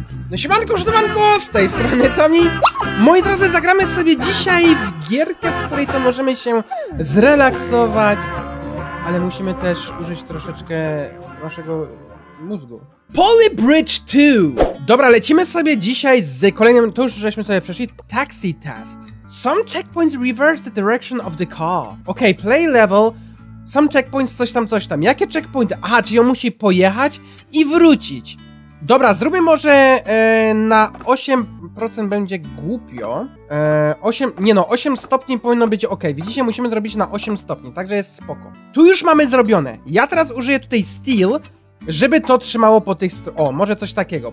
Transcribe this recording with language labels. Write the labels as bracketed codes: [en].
[pl] No siemanko, szanowanko, z tej strony Tomi. Moi drodzy, zagramy sobie dzisiaj w gierkę, w której to możemy się zrelaksować. Ale musimy też użyć troszeczkę waszego mózgu. Polybridge 2! Dobra, lecimy sobie dzisiaj z kolejnym, to już żeśmy sobie przeszli, Taxi Tasks. [en] Some checkpoints reverse the direction of the car. [pl] Okej, [en] play level, some checkpoints, [pl] coś tam. Jakie checkpointy? Aha, czyli on musi pojechać i wrócić. Dobra, zróbmy może na 8% będzie głupio. 8 stopni powinno być ok. Widzicie, musimy zrobić na 8 stopni, także jest spoko. Tu już mamy zrobione. Ja teraz użyję tutaj steel, żeby to trzymało po tych stronach. O, może coś takiego.